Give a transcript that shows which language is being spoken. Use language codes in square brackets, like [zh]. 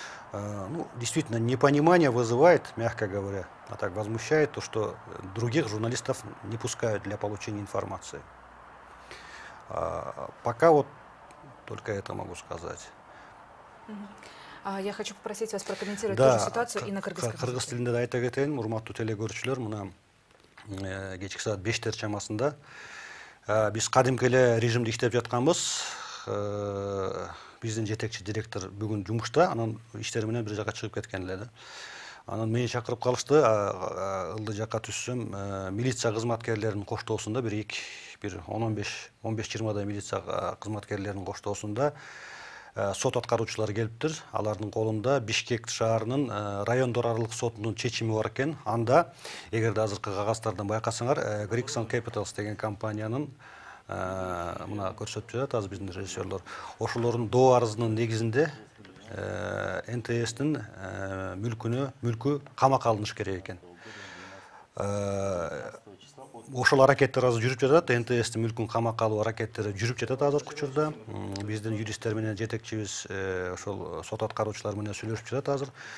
[ru] Ну, действительно, непонимание вызывает, мягко говоря, а так возмущает то, что других журналистов не пускают для получения информации. Пока вот только это могу сказать. Я хочу попросить вас прокомментировать, да, ту же ситуацию и на кыргызском. [ky] Кыргыз тилинде да айта кетейин, урматтуу телекөрүүчүлөр, мына кечки саат 5:00 чамасында биз кадимки эле режимде иштеп жатканбыз. Биздин жетекчи директор бүгүн жумушта, анан иштери менен бир жака чыгып кеткен эле да. Анан мени чакырып калышты, ылдый жака түшсөм милиция кызматкерлеринин коштоосунда бир 15-20 милиция кызматкерлеринин коштоосунда сот аткаруучулар келиптир. Алардын колунда Бишкек шаарынын райондор аралык сотунун чечими бар экен. Анда эгерде азыркы кагаздардан байкасаңар, Grixon Capitals деген компаниянын мына көрсөтүп жатат азыр биздин режиссерлор. Ошолордун доо арызынын негизинде НТС-тин мүлкү камакка алыныш керек экен. Ошол аракеттер азыр жүрүп жатат, НТС-тин мүлкүн камакка алуу аракеттери жүрүп жатат азыркы учурда. Биздин юристтер менен жетекчибиз ошол сот аткаруучулар менен сүйлөшүп жатат азыр.